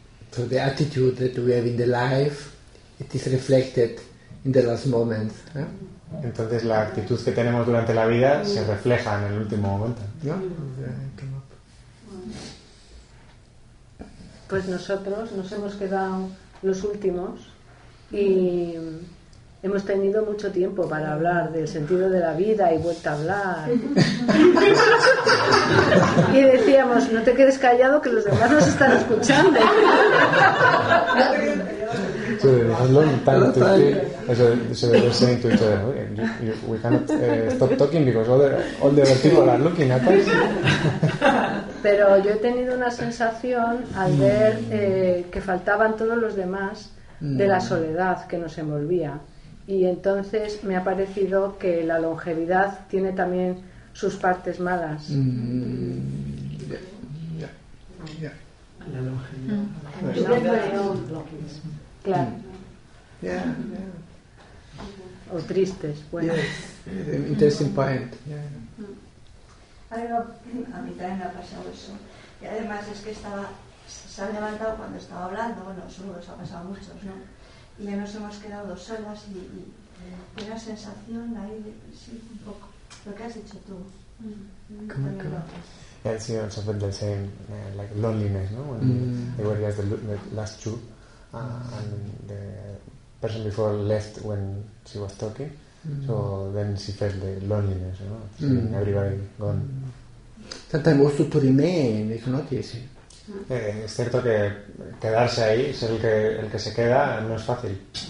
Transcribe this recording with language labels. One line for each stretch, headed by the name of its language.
English: So the attitude that we have in the life, it is reflected in the last moments.
Spanish: Entonces la actitud que tenemos durante la vida se refleja en el último momento. Pues nosotros nos hemos quedado los últimos y hemos tenido mucho tiempo para hablar del sentido de la vida y vuelta a hablar. Y decíamos, no te quedes callado, que los demás nos están escuchando.
English: So we have long time to speak. So they were saying to each other, we cannot stop talking because all the other people are looking at us.
Spanish: Pero yo he tenido una sensación al ver que faltaban todos los demás de la soledad que nos envolvía. Y entonces me ha parecido que la longevidad tiene también sus partes malas. La longevidad. Claro.
English: Yeah.
Spanish: O tristes, bueno.
English: Yes. Interesting point.
Spanish: A mí también me ha pasado eso. Y además es que estaba se han levantado cuando estaba hablando, bueno, seguro que se ha pasado a muchos, ¿no? Y ya nos hemos quedado solas y una sensación ahí, sí, un poco, lo que has dicho tú.
English: Yeah, it's, you know, something they're saying, like loneliness, no? When they were just the last two, and the person before left when she was talking, so then she felt the loneliness, you know, seeing everybody gone. Sometimes also to remain, it's not easy.
Spanish: Es cierto que quedarse ahí, ser el que se queda, no es fácil.